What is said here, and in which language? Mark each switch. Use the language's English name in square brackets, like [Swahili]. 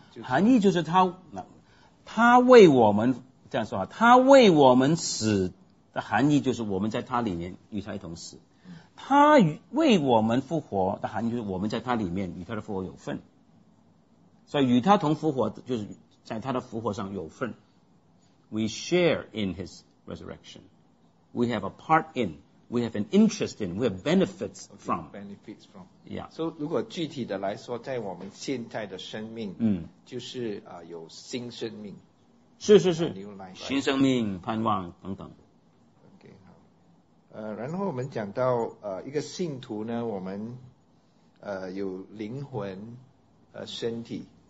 [Chinese] 就是、含义就是他为我们。这样说啊，他为我们死的含义就是我们在他里面与他一同死，他为我们复活的含义就是我们在他里面与他的复活有份，所以与他同复活就是在他的复活上有份。 [English] We share in his resurrection, we have a part in, we have an interest in, we have benefits from. Okay, benefits from. Yeah. [Chinese] So 如果具体的来说，在我们现在的生命，就是有新生命。是是是，新生命、盼望等等。 OK， 好。然后我们讲到一个信徒呢，我们有灵魂和身体。